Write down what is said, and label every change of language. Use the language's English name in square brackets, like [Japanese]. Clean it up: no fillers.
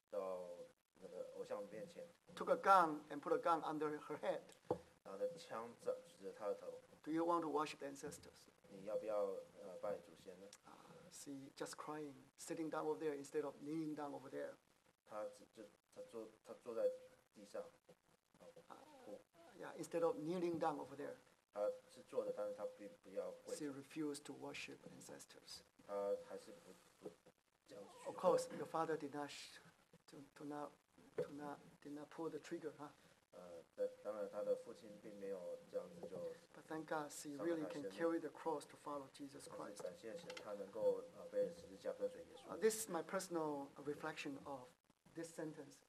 [Chinese] 抓着他到那个偶像面前 [English] ，took a gun and put a gun under her head， [Chinese] 拿着枪指着他的头 [English] ，Do you want to worship the ancestors？ [Chinese] 你要不要拜祖先呢 [English] ？She just crying, sitting down over there instead of kneeling down over there. [Chinese] 他坐在地上 [English] ，Yeah, instead of kneeling down over there. [Chinese] 他是坐着，但是他不要跪。 [English] She refused to worship ancestors. [Chinese] 他还是不。 [English] Of course, your father did not pull the trigger, huh? [Chinese] 当然他的父亲并没有这样子就。 [English] But thank God, she really can carry the cross to follow Jesus Christ. [Chinese] 感谢神，他能够背十字架跟随耶稣。 [English] This is my personal reflection of this sentence.